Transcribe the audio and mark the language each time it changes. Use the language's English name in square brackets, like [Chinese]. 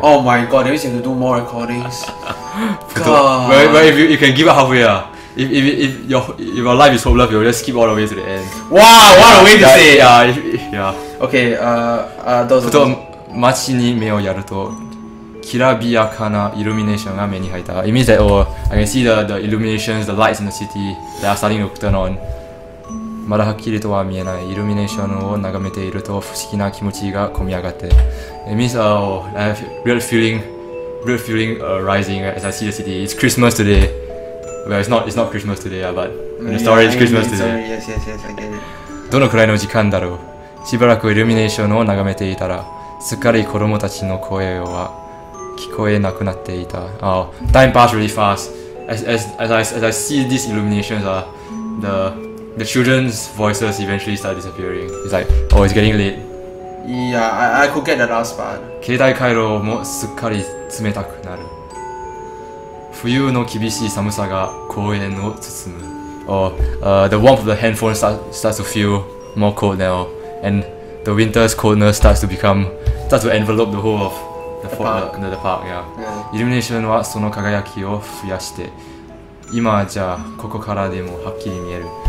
[English] Oh my god, that means you have to do more recordings. Well, if you can give up halfway, if your life is hopeless, you'll just skip all the way to the end. Wow, what a way to say! Yeah. Okay, those are. [Japanese] 街に目をやると、きらびやかなイルミネーションが目に入った。 [English] It means that, I can see the illuminations, the lights in the city that are starting to turn on. [Japanese] まだはっきりとは見えないイルミネーションを眺めていると不思議な気持ちが込み上がって。 [English] It means a real feeling rising as I see the city. It's Christmas today. Well, it's not Christmas today, but the story is Christmas today. Sorry, yes, I get it. [Japanese] どのくらいの時間だろう。しばらくイルミネーションを眺めていたら、すっかり子供たちの声は聞こえなくなっていた。 [English] Oh, time passed really fast. As I see these illuminations, the children's voices eventually start disappearing. It's like, oh, it's getting late. Yeah, I could get the last part. [Japanese] 携帯回路もすっかり冷たくなる。冬の厳しい寒さが公園を包む。 [English] The warmth of the handphone starts to feel more cold now, and the winter's coldness starts to envelope the whole of the park. [Japanese] Yeah. Illumination はその輝きを増やして、今じゃここからでもはっきり見える。